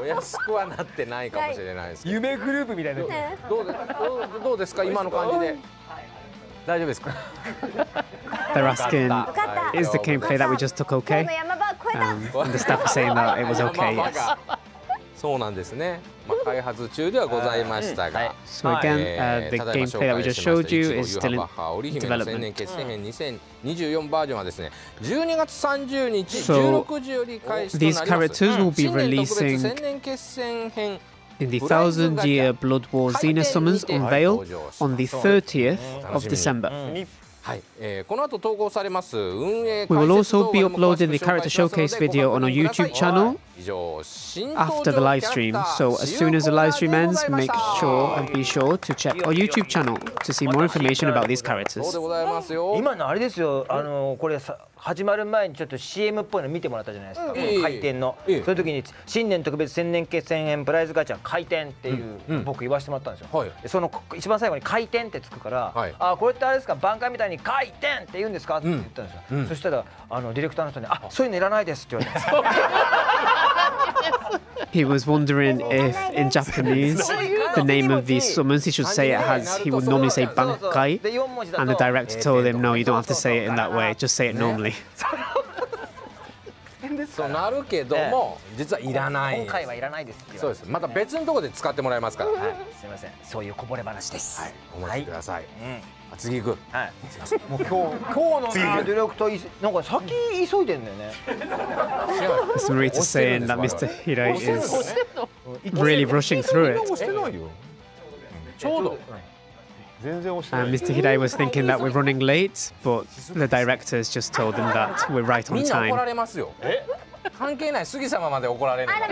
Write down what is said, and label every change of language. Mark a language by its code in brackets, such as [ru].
[ja] お安くはなってないかもしれないですけど。夢グループみたいな、ね、どうですか今の感じで。大丈夫ですか。 [en] They're asking, is the gameplay that we just took okay? And the staff are saying that it was okay. Yes. [ja] そうなんですね。まあ開発中ではございましたが、 [en] So again, the gameplay that we just showed you is still in development. [ja] 千年決戦編2024バージョンはですね、12月30日16時より開始となります。 [en] These characters will be releasing in the Thousand Year Blood War Xena Summons Unveil on the 30th of December. [ja] はい、この後投稿されます運営解説動画も詳しく紹介するので、 [en] We will also be uploading the character showcase video on our YouTube channel after the live stream. So as soon as the live stream ends, make sure and be sure to check our YouTube channel to see more information about these characters. [ja] 今のあれですよ、これ始まる前にちょっと CM っぽいの見てもらったじゃないですか、回転の。その時に新年特別千年決戦編プライズガチャ回転っていう僕言わせてもらったんですよ、はい、その一番最後に回転ってつくから、はい、あこれってあれですか挽回みたいに回転って言うんですかって言ったんですよ、そしたらあのディレクターの人にあそういうのいらないですって言われたんですよ。 [en] He was wondering if in Japanese the name of these summons he should say it as he would normally say Bankai and the director told him no you don't have to say it in that way just say it normally. [ja] そうなるけども実はいらない今回はいらないですってそうです、また別のところで使ってもらえますから、はい、すみません、そういうこぼれ話です。はい、お待ちください。次行く。はい。もう今日のディレクターなんか先急いでんだよね。 [en] It's Marita saying that Mr. Hirai is really rushing through it. [ja] ちょうど。全然押してない。 [en] Hirai was thinking that we're running late, but the director has just told him that we're right on time. [ja] みんな怒られますよ。え？関係ない、杉様まで怒られない。